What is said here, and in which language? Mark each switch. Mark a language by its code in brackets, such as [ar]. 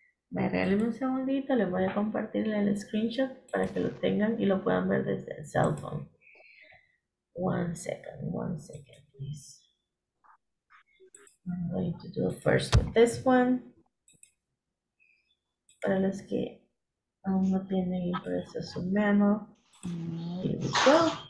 [es] Me regalen un segundito, les voy a compartir el screenshot para que lo tengan y lo puedan ver desde el cell phone. [en] One second, please. I'm going to do first with this one. [es] Para los que aún no tienen impreso su memo, [en] here we go.